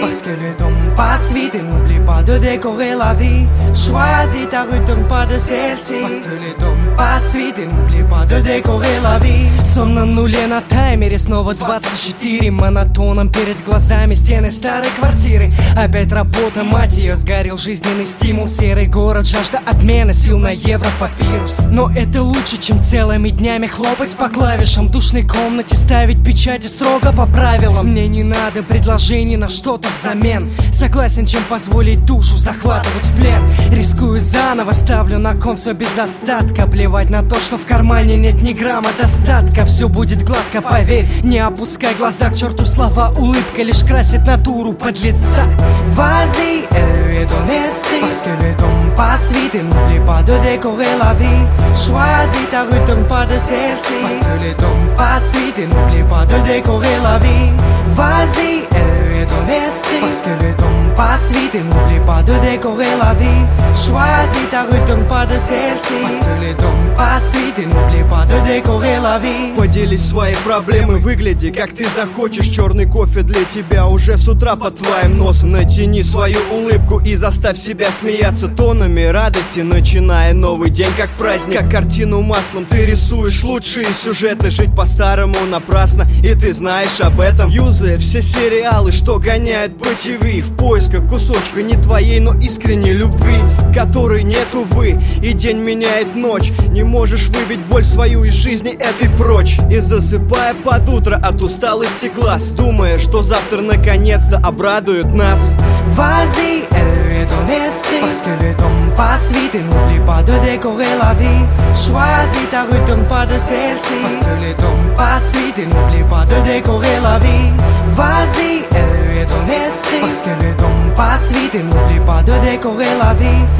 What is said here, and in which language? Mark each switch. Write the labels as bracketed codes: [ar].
[fr] Parce que le temps passe vite et n'oublie pas de décorer la vie. Choisis ta rue, tourne pas de celle-ci. Parce que le temps passe vite et n'oublie pas de décorer la vie. [ru] Сон на нуле на таймере, снова 24. Монотоном перед глазами стены старой квартиры. Опять работа, мать ее, сгорел жизненный стимул. Серый город, жажда отмены, сил на европапирус. Но это лучше, чем целыми днями хлопать по клавишам. В душной комнате ставить печати строго по правилам. Мне не надо предложений на что-то взамен. Согласен, чем позволить душу захватывать в плен. Рискую заново, ставлю на ком все без остатка. Плевать на то, что в кармане нет ни грамма достатка. Все будет гладко, поверь, не опускай глаза. К черту слова, улыбка лишь красит натуру подлеца. [fr] Вази, élevez ton esprit. Parce que le temps passe vite, n'oublie pas de décorer la vie. Choisis ta rue, tourne pas de celle-ci. Parce que le temps passe vite, n'oublie pas de décorer la vie. Vas-y, élevez ton esprit. Parce que le temps passe vite, n'oublie pas de décorer la vie. Choisis ta rue, tourne pas de celle-ci. Parce que le temps passe vite, n'oublie pas de décorer la vie. [ru] Поделись свои проблемы, выгляди как ты захочешь. Черный кофе для тебя уже с утра под твоим носом. Натяни свою улыбку и заставь себя смеяться тонами радости, начиная новый день как праздник. Как картину маслом ты рисуешь лучшие сюжеты. Жить по-старому напрасно, и ты знаешь об этом. Юзая все сериалы, что гоняют по ТВ, в поисках кусочка не твоей, но искренней любви, которой нет, увы. И день меняет ночь, не можешь выбить боль свою из жизни этой прочь. И засыпая под утро от усталости глаз, думая, что завтра наконец-то обрадует нас. [fr] Vas-y, élevez ton esprit. Parce que le temps passe vite et n'oublie pas de décorer la vie. Choisis ta rue, tourne pas de celle-ci. Parce que le temps passe vite et n'oublie pas de décorer la vie. Vas-y, élevez ton esprit. Parce que le temps passe vite et n'oublie pas de décorer la vie.